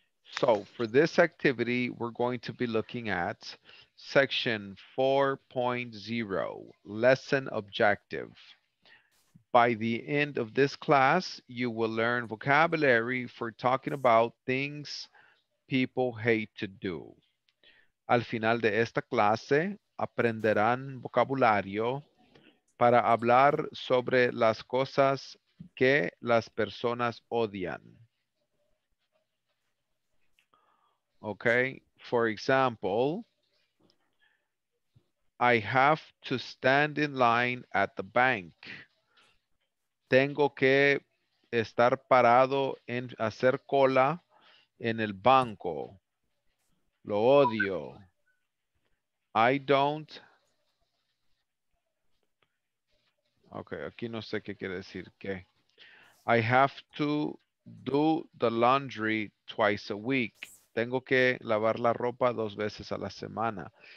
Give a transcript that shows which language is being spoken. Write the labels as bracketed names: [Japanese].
[English] So for this activity, we're going to be looking at section 4.0, lesson objective. By the end of this class, you will learn vocabulary for talking about things people hate to do. [Spanish] Al final de esta clase, aprenderán vocabulario para hablar sobre las cosas que las personas odian. [English] Okay, for example, I have to stand in line at the bank. [Spanish] Tengo que estar parado en hacer cola en el banco. Lo odio. [English] I don't. [Spanish] Okay, aquí no sé qué quiere decir qué. [English] I have to do the laundry twice a week. [Spanish] Tengo que lavar la ropa dos veces a la semana.